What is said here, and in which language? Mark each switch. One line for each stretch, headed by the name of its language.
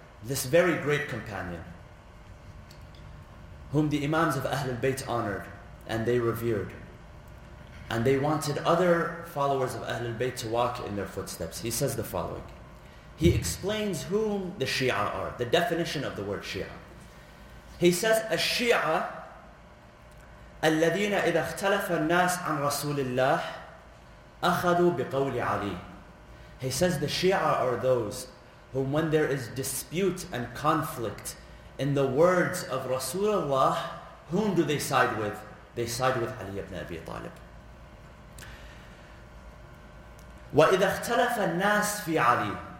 English: this very great companion, whom the Imams of Ahlul Bayt honored and they revered, and they wanted other followers of Ahlul Bayt to walk in their footsteps. He says the following. He explains whom the Shia are, the definition of the word Shia. He says,
Arabic: الشيعة الذين إذا اختلف الناس عن رسول الله أخذوا بقول علي.
English: He says, the Shia are those whom when there is dispute and conflict in the words of Rasulullah, whom do they side with? They side with Ali ibn Abi Talib.
Arabic: وَإِذَا اخْتَلَفَ النَّاسِ فِي عَلِي.